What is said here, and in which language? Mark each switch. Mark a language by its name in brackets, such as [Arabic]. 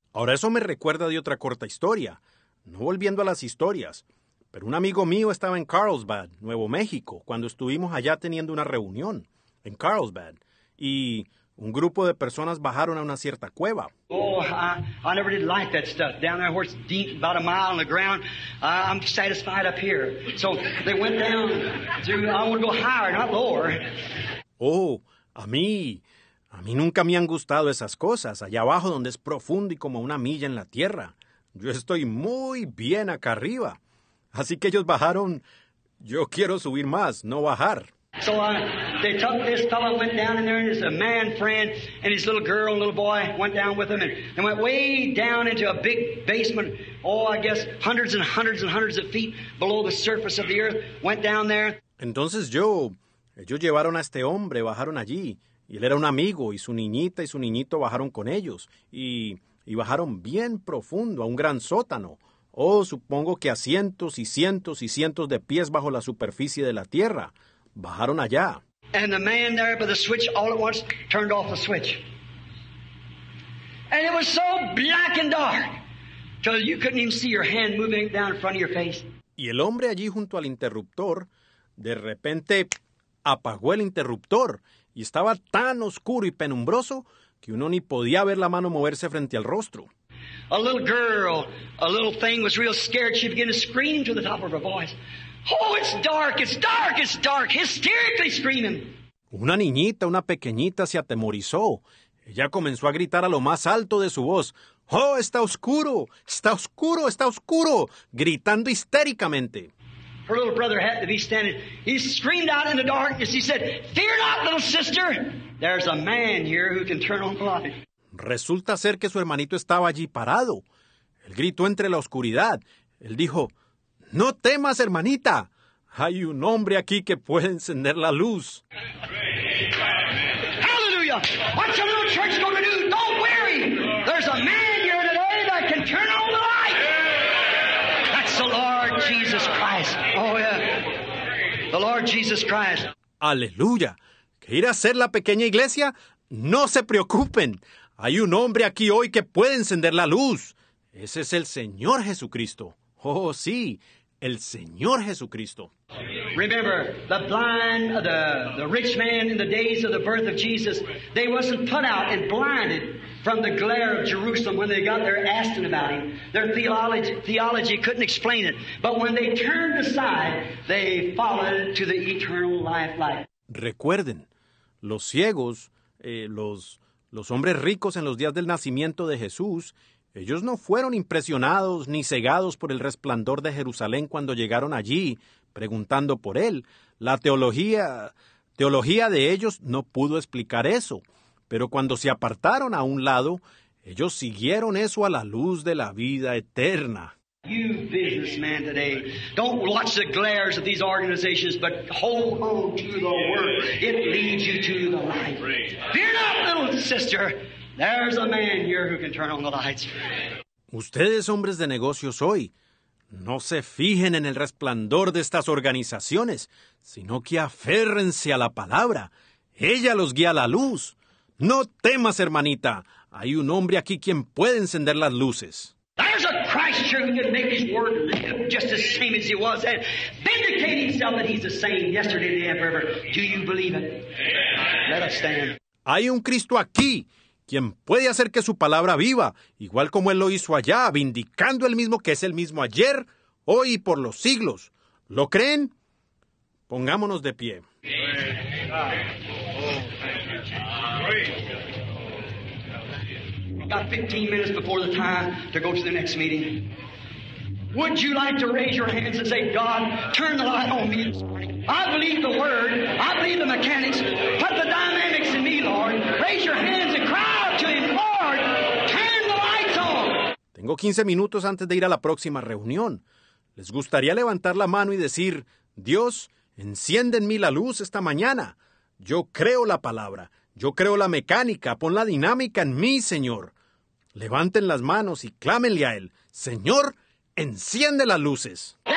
[Spanish] Ahora, eso me recuerda de otra corta historia. No volviendo a las historias, pero un amigo mío estaba en Carlsbad, Nuevo México, cuando estuvimos allá teniendo una reunión en Carlsbad. Y un grupo de personas bajaron a una cierta cueva. [English] Oh, I never did like that stuff. Down there where it's deep, about a mile on the ground. I'm satisfied up here. So they went down to, I want to go higher, not lower. [Spanish] Oh, a mí nunca me han gustado esas cosas. Allá abajo donde es profundo y como una milla en la tierra. Yo estoy muy bien acá arriba. Así que ellos bajaron, yo quiero subir más, no bajar. [English] So they took this fellow, went down in there, and his man friend and his little girl, little boy, went down with him, and they went way down into a big basement, oh, I guess hundreds and hundreds and hundreds of feet below the surface of the earth, went down there. [Spanish] Entonces ellos llevaron a este hombre, bajaron allí, y él era un amigo, y su niñito bajaron con ellos, y bajaron bien profundo, a un gran sótano. Oh, supongo que a cientos y cientos y cientos de pies bajo la superficie de la tierra. Bajaron allá. [English] And the man there by the switch all at once turned off the switch. And it was so black and dark till you couldn't even see your hand moving down in front of your face. [Spanish] Y el hombre allí junto al interruptor, de repente apagó el interruptor. Y estaba tan oscuro y penumbroso que uno ni podía ver la mano moverse frente al rostro. [English] A little girl, a little thing was real scared. She began to scream to the top of her voice. Oh, it's dark, it's dark, it's dark, hysterically screaming. [Spanish] Una niñita, una pequeñita, se atemorizó. Ella comenzó a gritar a lo más alto de su voz. Oh, está oscuro, está oscuro, está oscuro, gritando histéricamente. [English] Her little brother had to be standing. He screamed out in the darkness. He said, "Fear not, little sister. There's a man here who can turn on the light." [Spanish] Resulta ser que su hermanito estaba allí parado. Él gritó entre la oscuridad. Él dijo, no temas, hermanita. Hay un hombre aquí que puede encender la luz. [English] Hallelujah. What's a little church going to do? Don't worry. There's a man here today that can turn on the light. That's the Lord Jesus Christ. Oh, yeah. The Lord Jesus Christ. [Spanish] Aleluya. ¿Qué irá a hacer la pequeña iglesia? No se preocupen. Hay un hombre aquí hoy que puede encender la luz. Ese es el Señor Jesucristo. Oh, sí. El Señor Jesucristo. [English] Remember, the blind, the rich man in the days of the birth of Jesus, they wasn't put out and blinded from the glare of Jerusalem when they got there asking about him. Their theology couldn't explain it. But when they turned aside, they followed to the eternal life light. [Spanish] Recuerden, los ciegos, los hombres ricos en los días del nacimiento de Jesús, ellos no fueron impresionados ni cegados por el resplandor de Jerusalén cuando llegaron allí preguntando por él. La teología de ellos no pudo explicar eso. Pero cuando se apartaron a un lado, Ellos siguieron eso a la luz de la vida eterna. [English] You businessmen today, don't watch the glares of these organizations, but hold on to the word. It leads you to the light. Fear not, little sister. There's a man here who can turn on the lights. [Spanish] Ustedes, hombres de negocios hoy, no se fijen en el resplandor de estas organizaciones, sino que aférrense a la palabra. Ella los guía a la luz. No temas, hermanita. Hay un hombre aquí quien puede encender las luces. [English] There's a Christ here who can make his word live just the same as he was then. Vindicate himself that he's the same yesterday, today, and forever. Do you believe it? Let us stand. [Spanish] Hay un Cristo aquí quien puede hacer que su palabra viva, igual como él lo hizo allá, vindicando el mismo que es el mismo ayer, hoy y por los siglos. ¿Lo creen? Pongámonos de pie. [English] Got 15 minutes before the time to go to the next meeting. Would you like to raise your hands and say, God, turn the light on me this morning? I believe the word. I believe the mechanics. Put the dynamics in me, Lord. Raise your hands and cry out to him, Lord, turn the lights on. [Spanish] Tengo 15 minutos antes de ir a la próxima reunión. ¿Les gustaría levantar la mano y decir, Dios, enciende en mí la luz esta mañana? Yo creo la palabra. Yo creo la mecánica, pon la dinámica en mí, Señor. Levanten las manos y clámenle a Él. Señor, enciende las luces.